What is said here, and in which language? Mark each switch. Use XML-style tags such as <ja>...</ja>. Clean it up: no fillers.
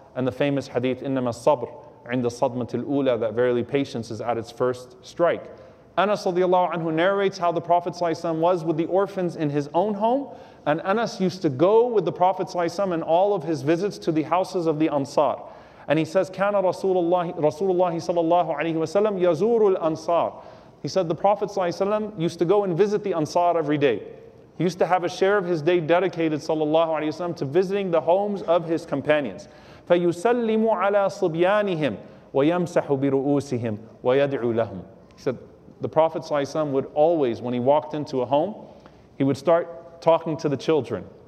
<en>And the famous hadith,</en> <ar>إِنَّمَا الصَّبْرُ عِنْدَ صَدْمَةِ الْأُولَى,</ar> <en>that verily patience is at its first strike. Anas ﷺ narrates how the Prophet ﷺ was with the orphans in his own home. And Anas used to go with the Prophet ﷺ in all of his visits to the houses of the Ansar. And he says,</en> <ar>كَانَ رَسُولُ اللَّهِ ﷺ يَزُورُ الْأَنصَارِ.</ar> <en>He said the Prophet ﷺ used to go and visit the Ansar every day. He used to have a share of his day dedicated ﷺ to visiting the homes of his companions.</en> <ar>فَيُسَلِّمُ عَلَىٰ صُبْيَانِهِمْ وَيَمْسَحُ بِرُؤُوسِهِمْ وَيَدْعُوا لَهُمْ.</ar> <en>He said the Prophet ﷺ would always, when he walked into a home, he would start talking to the children.</en>